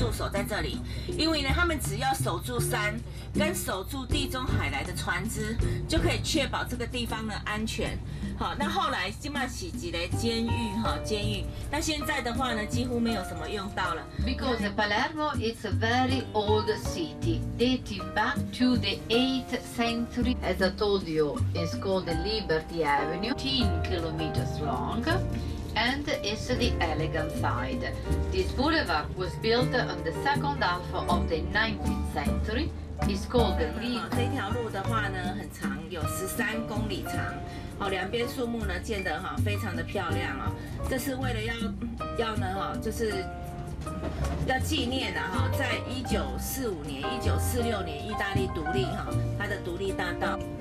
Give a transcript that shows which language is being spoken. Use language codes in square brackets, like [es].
[zh] 在这里，因为呢，他们只要守住山，跟守住地中海来的船只，就可以确保这个地方的安全。好，那后来现在是一个监狱，那现在的话呢，几乎没有什么用到了。 [en] Because Palermo is a very old city, dating back to the 8th century. As I told you, it's called the Liberty Avenue, 10 kilometers long. And it's the elegant side. This boulevard was built on the second half of the 19th century It's called the Lee. [zh] 这条路的话呢，很长，有13公里长。哦，两边树木呢建得哈非常的漂亮啊、哦，这是为了要呢哈、哦，就是要纪念呢、啊、哈、哦，在1945年、1946年意大利独立哈、哦，它的独立大道。